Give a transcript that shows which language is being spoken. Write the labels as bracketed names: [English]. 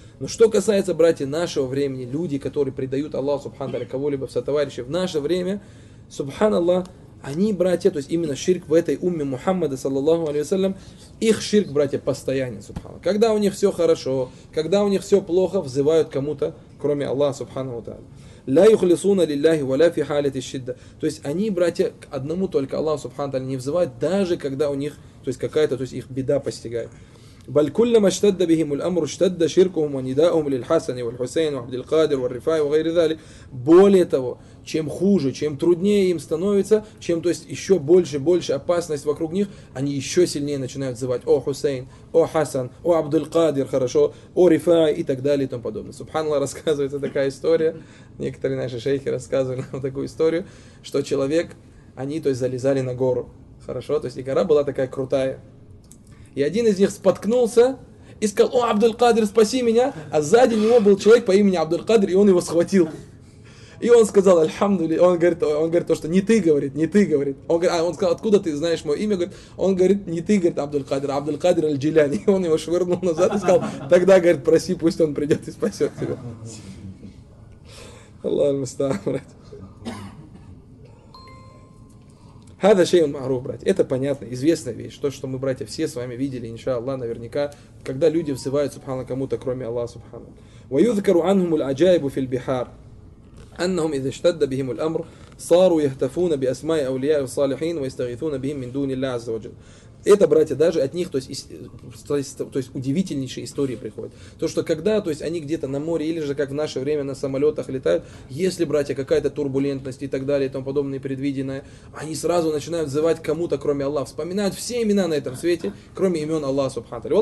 [Russian] Но что касается, братья, нашего времени, люди, которые предают Аллаху Субхану Тааля кого-либо в сотоварищи, в наше время, субханаллах, они, братья, то есть именно ширк в этой умме Мухаммада, саллаллаху алейхи ва саллям, их ширк, братья, постоянен, субханаллах. Когда у них все хорошо, когда у них все плохо, взывают кому-то, кроме Аллаха, субханаху ва тааля. [Arabic] Ла юхлисуна лилляхи ва ля фи халати ш-шидда. [Russian] То есть они, братья, к одному только Аллаху, субханаху ва тааля, не взывают, даже когда у них, то есть какая-то, то есть их беда постигает. [Arabic] بل كلما اشتد بهم الأمر اشتد شركهم ونداؤهم للحسن والحسين وعبد القادر والرفاعي وغير ذلك. [Russian] Более того, чем хуже, чем труднее им становится, чем, то есть, еще больше, больше опасность вокруг них, они еще сильнее начинают звать: о Хусейн, о Хасан, о Абдул-Кадир, хорошо, о Рифай и так далее и тому подобное. Субханаллах, рассказывается такая история, некоторые наши шейхи рассказывали нам такую историю, что человек, они, то есть, залезали на гору, хорошо, то есть, и гора была такая крутая, и один из них споткнулся и сказал: о Абдул-Кадир, спаси меня, а сзади него был человек по имени Абдул-Кадир, и он его схватил. И он сказал: альхамдули, он говорит то, что не ты, говорит, не ты, говорит. Он говорит, а он сказал: откуда ты знаешь мое имя? Он говорит, не ты, говорит, Абдул-Кадир, Абдул-Кадир аль-Джиляни. И он его швырнул назад и сказал: тогда, говорит, проси, пусть он придет и спасет тебя. Аллах мастан, брат. [Arabic] Хаза шейун маруф, [Russian] брать. Это понятно, известная вещь. То, что мы, братья, все с вами видели, иншаллах, наверняка, когда люди взывают, субхана, кому-то, кроме Аллаха, субхана. [Arabic] Ва юзкару анхуму л-аджайбу фил бихар. أنهم إذا اشتد بهم الأمر صاروا يهتفون بأسماء أولياء الصالحين ويستغيثون بهم من دون الله عز وجل. [Russian] Это, братья, даже от них, то есть удивительнейшие истории приходят. То, что когда, то есть, они где-то на море или же как в наше время на самолетах летают, если, братья, какая-то турбулентность и так далее и тому подобное предвиденное, они сразу начинают взывать кому-то, кроме Аллаха, вспоминают все имена на этом свете, кроме имен Аллаха субханаху.